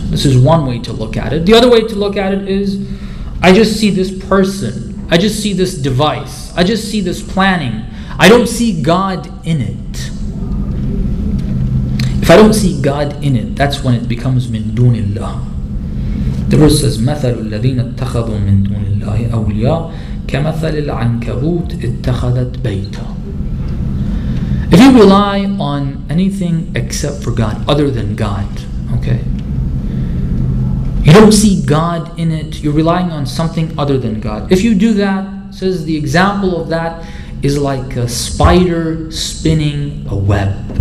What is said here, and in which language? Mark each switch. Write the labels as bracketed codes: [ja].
[en] This is one way to look at it. The other way to look at it is, I just see this person, I just see this device, I just see this planning, I don't see God in it. If I don't see God in it, that's when it becomes min dunillah. The verse says, [ar] مَثَلُ الَّذِينَ اتَّخَذُوا مِن دُونِ اللَّهِ أَوْلِيَاءَ كَمَثَلِ الْعَنْكَبُوتِ اتَّخَذَتْ بَيْتًا. [en] If you rely on anything except for God, other than God, okay, you don't see God in it, you're relying on something other than God. If you do that, says the example of that is like a spider spinning a web.